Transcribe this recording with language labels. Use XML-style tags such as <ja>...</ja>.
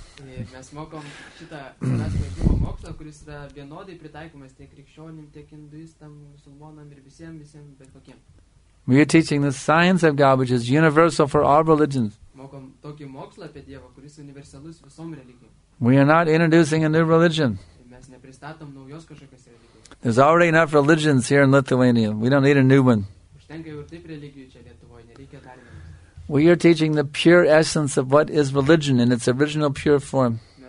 <lt>Mes mokom šitą pažinimo mokslą, kuris yra vienodai pritaikomas tiek krikščionim, tiek hinduistam, musulmonam ir visiem, bet kokiem.</lt> <en>We are teaching the science of God, which is universal for all religions.</en> <lt>Mokom tokį mokslą apie Dievą, kuris universalus visom religijom.</lt> <en>We are not introducing a new religion.</en> <lt>Mes nepristatom naujos kažkokios religijos.</lt> <en>There's already enough religions here in Lithuania. We don't need a new one.</en> <lt>Užtenka jau ir taip religijų čia Lietuvoje, nereikia dar vieno.</lt> <en>We are teaching the pure essence of what is religion in its original pure form.</en>